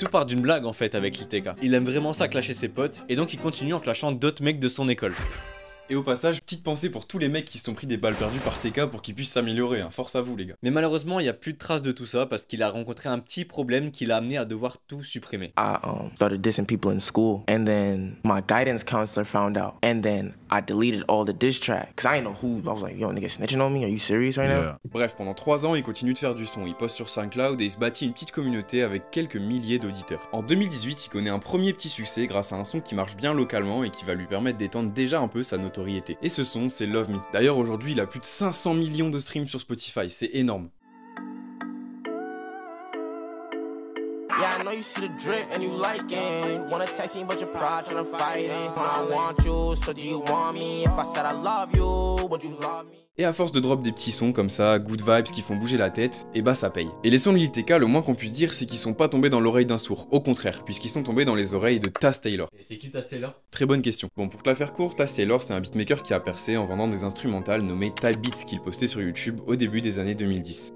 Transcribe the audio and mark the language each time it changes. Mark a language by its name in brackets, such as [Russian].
[French] Tout part d'une blague en fait avec l'ITK. Il aime vraiment ça, clasher ses potes, et donc il continue en clashant d'autres mecs de son école. Et au passage, petite pensée pour tous les mecs qui se sont pris des balles perdues par TK pour qu'ils puissent s'améliorer, hein. Force à vous les gars. Mais malheureusement, il n'y a plus de traces de tout ça parce qu'il a rencontré un petit problème qui l'a amené à devoir tout supprimer. [English] I started dissing people in school, and then my guidance counselor found out, and then I deleted all the diss tracks. Cause I didn't know who. I was like, yo, nigga snitching on me, are you serious right now? [French] Bref, pendant 3 ans, il continue de faire du son, il poste sur SoundCloud et il se bâtit une petite communauté avec quelques milliers d'auditeurs. En 2018, il connaît un premier petit succès grâce à un son qui marche bien localement et qui va lui permettre d'étendre déjà un peu sa notoriété. Et ce son, c'est Love Me. D'ailleurs, aujourd'hui, il a plus de 500 millions de streams sur Spotify, c'est énorme. [English] Yeah, I know you see the drip and you like it. Wanna text me, but you're proud, tryna fight it. When I want you, so do you want me? If I said I love you, would you love me? [French] Et à force de drop des petits sons comme ça, good vibes qui font bouger la tête, et bah ça paye. Et les sons de l'ITK, le moins qu'on puisse dire, c'est qu'ils sont pas tombés dans l'oreille d'un sourd. Au contraire, puisqu'ils sont tombés dans les oreilles de Taz Taylor. Et c'est qui Taz Taylor? Très bonne question. Bon, pour te la faire court, Taz Taylor, c'est un beatmaker qui a percé en vendant des instrumentales nommées Type Beats qu'il postait sur YouTube au début des années 2010.